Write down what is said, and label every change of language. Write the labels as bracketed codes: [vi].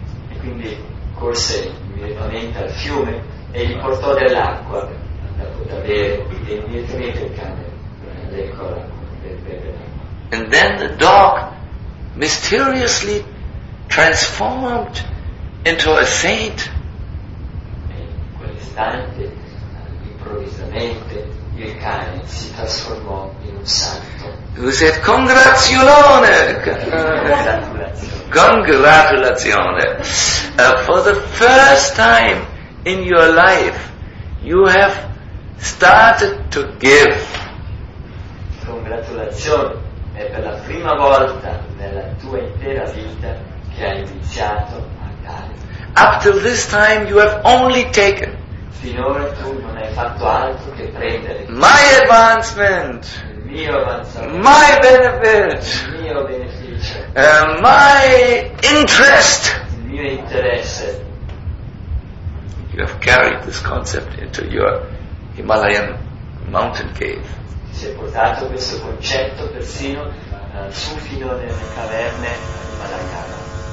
[it] E quindi corse immediatamente al fiume e gli portò dell'acqua da poter bere, e immediatamente il cane leccò l'acqua. [en] And then the dog mysteriously transformed into a saint. [it] E in quell'istante, improvvisamente, il cane si trasformò in un santo. [en] Who said, [it] congratulazione! Congratulazione! [en] For the first time in your life, you have started to give. [it] Congratulazione! È per la prima volta nella tua intera vita che hai iniziato a dare. [en] Up till this time you have only taken. [it] Finora tu non hai fatto altro che prendere. [en] My advancement! [it] Il mio avanzamento! [en] My benefit! [it] Il mio beneficio! [en] My interest! [it] Il mio interesse! [en] You have carried this concept into your Himalayan mountain cave. [it] Si è portato questo concetto persino su fino nelle caverne di Malacara.